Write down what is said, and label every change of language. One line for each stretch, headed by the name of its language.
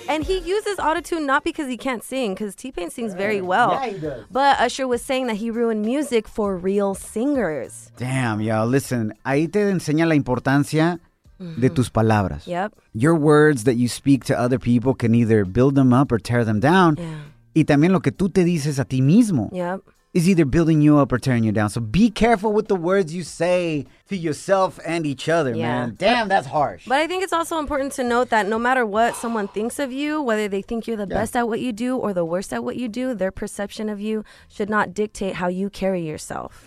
English: And he uses autotune not because he can't sing, because T-Pain sings very well. Yeah, he does. But Usher was saying that he ruined music for real singers. Damn, y'all. Listen,
Spanish: ahí te enseña la importancia de tus palabras.
English: Yep. Your words that you speak to other people can either build them up or tear them down. Yeah.
Spanish: Y también lo que tú te dices a ti mismo.
English: Yep. Is either building you up or tearing you down. So be careful with the words you say to yourself and each other, man. Damn, that's harsh. But I think it's also important to note that no matter what someone thinks of you, whether they think you're the best at what you do or the worst at what you do, their perception of you should not dictate how you carry yourself.